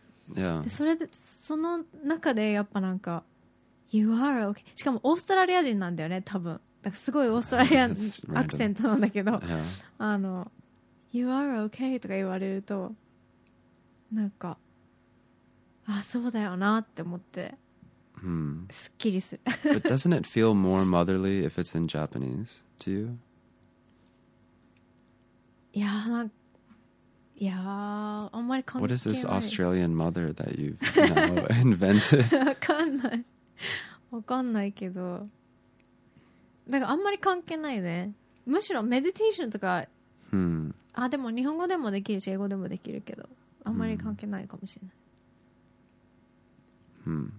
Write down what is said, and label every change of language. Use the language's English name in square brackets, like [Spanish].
[Japanese] で、それで、その中でやっぱなんか、 [English] You are okay。 [Japanese] しかもオーストラリア人なんだよね、多分。だからすごいオーストラリアアクセントなんだけど、 [English] You are okay [Japanese] とか言われると、なんかあそうだよなって思って、すっきりする。 [English] But doesn't it feel more motherly if it's in Japanese to you? [Japanese] いやなんかいやあんまり関係ない。 [English] What is this Australian mother that you've now invented? [Japanese] わかんないけど、なんかあんまり関係ないね。むしろメディテーションとか、あでも日本語でもできるし英語でもできるけど。あんまり関係ないかもしれない。